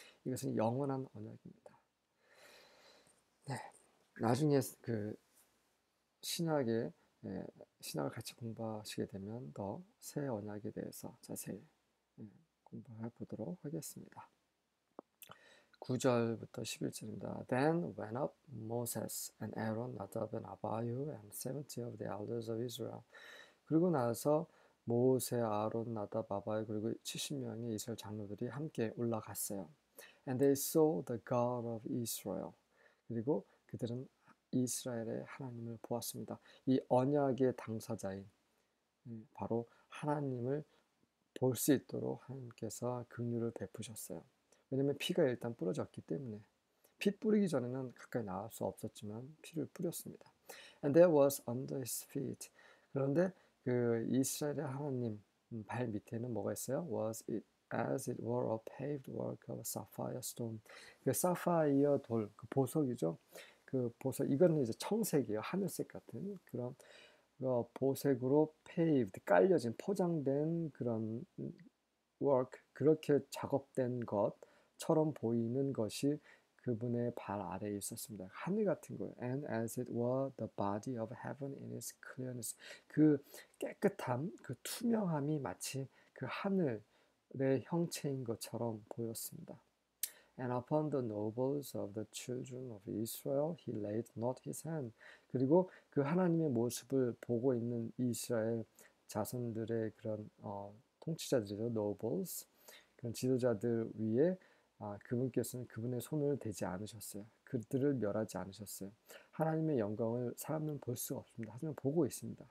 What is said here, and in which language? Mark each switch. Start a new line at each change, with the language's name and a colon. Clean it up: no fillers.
Korean: 이것은 영원한 언약입니다. 네, 나중에 그 신약에 신학을 같이 공부하시게 되면 더새 언약에 대해서 자세히 공부해 보도록 하겠습니다. 9절부터 11절입니다.
English: Then went up Moses and Aaron, Nadab and Abihu, and 70 of the elders of Israel.
Korean: 그리고 나서 모세, 아론, 나답, 아바요 그리고 70명의 이스라엘 장로들이 함께 올라갔어요.
English: And they saw the God of Israel.
Korean: 그리고 그들은 이스라엘의 하나님을 보았습니다. 이 언약의 당사자인 바로 하나님을 볼수 있도록 하나님께서 긍휼을 베푸셨어요. 왜냐면 피가 일단 뿌려졌기 때문에 피 뿌리기 전에는 가까이 나올 수 없었지만 피를 뿌렸습니다.
English: And there was under his feet.
Korean: 그런데 그 이스라엘의 하나님 발 밑에는 뭐가 있어요?
English: Was it as it were a paved work of a sapphire stone?
Korean: 그 사파이어 돌, 그 보석이죠. 그 보석 이거는 이제 청색이에요, 하늘색 같은 그런 보석으로 paved 깔려진 포장된 그런 work 그렇게 작업된 것처럼 보이는 것이 그분의 발 아래에 있었습니다. 하늘 같은 거예요.
English: And as it were the body of heaven in its clearness.
Korean: 그 깨끗함, 그 투명함이 마치 그 하늘의 형체인 것처럼 보였습니다.
English: And upon the nobles of the children of Israel he laid not his hand.
Korean: 그리고 그 하나님의 모습을 보고 있는 이스라엘 자손들의 그런 통치자들이죠. Nobles. 그런 지도자들 위에 그분께서는 그분의 손을 대지 않으셨어요. 그들을 멸하지 않으셨어요. 하나님의 영광을 사람은 볼 수가 없습니다. 하지만 보고 있습니다.